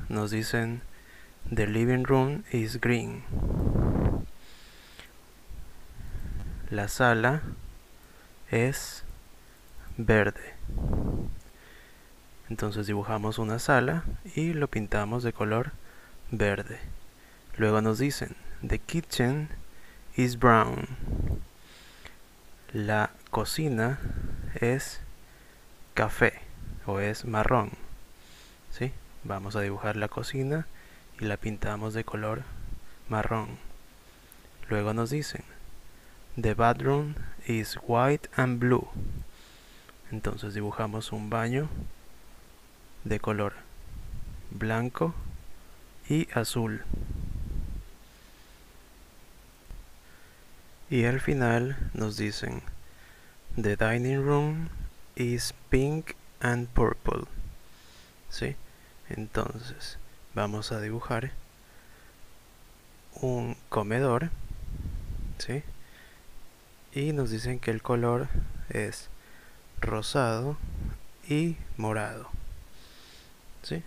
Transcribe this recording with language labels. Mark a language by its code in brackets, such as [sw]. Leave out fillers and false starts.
[es] Nos dicen [en] The living room is green. [es] La sala es verde. Entonces dibujamos una sala y lo pintamos de color verde. Luego nos dicen [en] The kitchen is brown. [es] La cocina es café o es marrón. ¿Sí? Vamos a dibujar la cocina y la pintamos de color marrón. Luego nos dicen, [en] "The bathroom is white and blue." [es] Entonces dibujamos un baño de color blanco y azul. Y al final nos dicen, [en] "The dining room is pink and purple." [es] ¿Sí? Entonces vamos a dibujar un comedor. ¿Sí? Y nos dicen que el color es rosado y morado. ¿Sí?